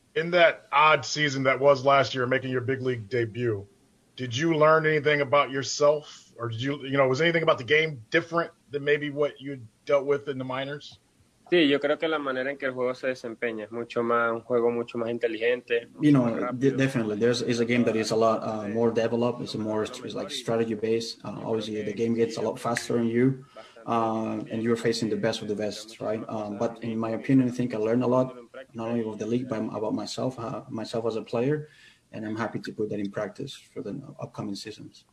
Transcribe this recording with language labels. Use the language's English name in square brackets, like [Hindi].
[English] In that odd season that was last year, making your big league debut, did you learn anything about yourself? Or did you know, was anything about the game different than maybe what you dealt with in the minors? [Spanish] Sí, yo creo que la manera en que el juego se desempeña es mucho más, un juego mucho más inteligente. [English] You know, definitely. It's a game that is a lot more developed. It's like strategy-based. Obviously, the game gets a lot faster on you, and you're facing the best of the best, right? But in my opinion, I think I learned a lot not only about the league, but about myself as a player. And I'm happy to put that in practice for the upcoming seasons.